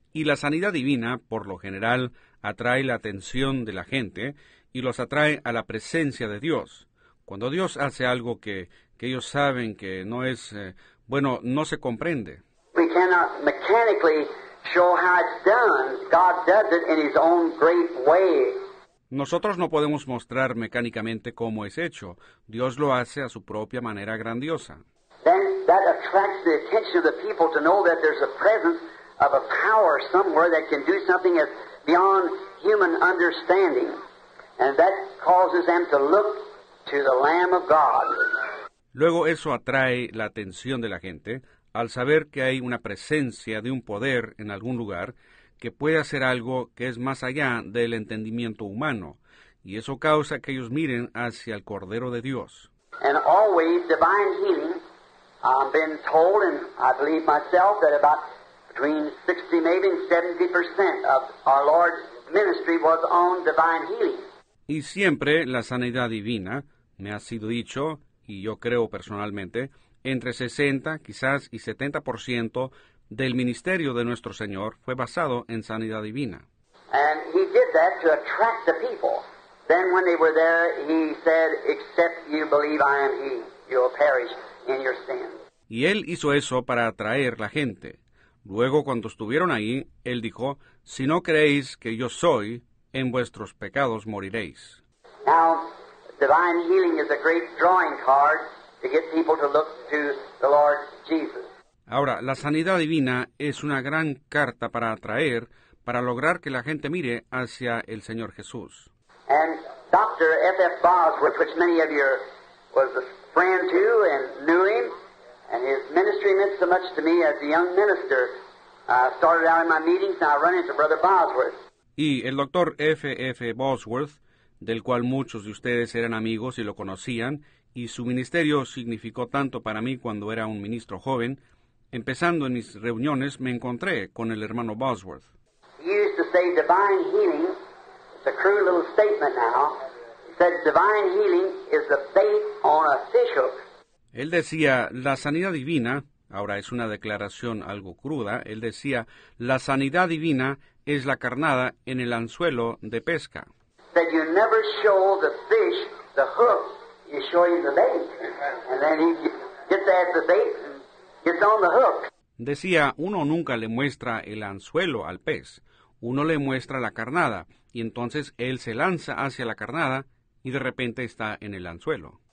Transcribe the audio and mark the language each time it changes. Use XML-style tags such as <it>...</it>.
<es>Y la sanidad divina, por lo general, atrae la atención de la gente y los atrae a la presencia de Dios. Cuando Dios hace algo que ellos saben que no es, no se comprende.</es> <en>We cannot mechanically show how it's done. God does it in His own great way.</en> <es>Nosotros no podemos mostrar mecánicamente cómo es hecho. Dios lo hace a su propia manera grandiosa.</es> <en>Then that attracts the attention of the people to know that there's a presence of a power somewhere that can do something that's beyond human understanding. And that causes them to look to the Lamb of God.</en> <es>Luego eso atrae la atención de la gente al saber que hay una presencia de un poder en algún lugar que puede hacer algo que es más allá del entendimiento humano. Y eso causa que ellos miren hacia el Cordero de Dios.</es> <en>And always divine healing. I've been told, and I believe myself, that about between 60, maybe 70% of our Lord's ministry was on divine healing.</en> <es>Y siempre la sanidad divina, me ha sido dicho, y yo creo personalmente, entre 60, quizás, y 70% del ministerio de nuestro Señor fue basado en sanidad divina.</es> <en>And He did that to attract the people. Then when they were there, He said, except you believe I am He, you'll perish in your sins.</en> <es>Y Él hizo eso para atraer la gente. Luego, cuando estuvieron ahí, Él dijo, si no creéis que yo soy, en vuestros pecados moriréis.</es> <en>Now, divine healing is a great drawing card to get people to look to the Lord Jesus.</en> <es>Ahora, la sanidad divina es una gran carta para atraer, para lograr que la gente mire hacia el Señor Jesús.</es> <en>And Dr. F.F. Bosworth, which many of you was a friend to and knew him, and his ministry meant so much to me as a young minister. Started out in my meetings, and I run into Brother Bosworth.</en> <es>Y el Dr. F.F. Bosworth, del cual muchos de ustedes eran amigos y lo conocían, y su ministerio significó tanto para mí cuando era un ministro joven. Empezando en mis reuniones, me encontré con el hermano Bosworth.</es> <en>He used to say divine healing, it's a crude little statement now, he said divine healing is the bait on a fish hook.</en> <es>Él decía, la sanidad divina, ahora es una declaración algo cruda, él decía, la sanidad divina es la carnada en el anzuelo de pesca.</es> <en>That you never show the fish the hook. You show him the bait, and then he gets at the bait and gets on the hook.</en> <es>Decía, uno nunca le muestra el anzuelo al pez. Uno le muestra la carnada, y entonces él se lanza hacia la carnada, y de repente está en el anzuelo.</es>